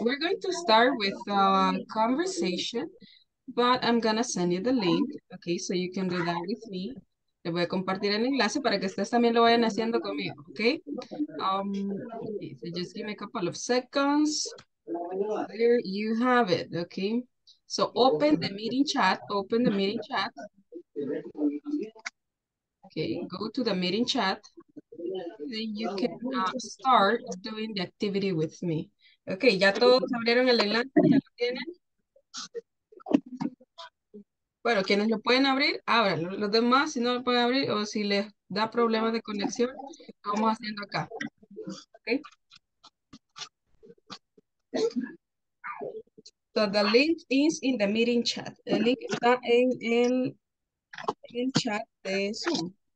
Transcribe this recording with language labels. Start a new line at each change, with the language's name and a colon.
English: We're going to start with a conversation, but I'm going to send you the link, okay? So you can do that with me.
Spanish: Le voy a compartir el enlace para que ustedes también lo vayan haciendo conmigo, okay?
English: Okay, so just give me a couple of seconds. There you have it, okay? So open the meeting chat, open the meeting chat. Okay, go to the meeting chat. Then you can start doing the activity with me.
Spanish: Okay, ya todos abrieron el enlace, ya lo tienen. Bueno, quienes lo pueden abrir, ábranlo. Los demás, si no lo pueden abrir o si les da problemas de conexión, vamos haciendo acá.
English: Okay. So the link is in the meeting chat.
Spanish: El link está en el chat de Zoom.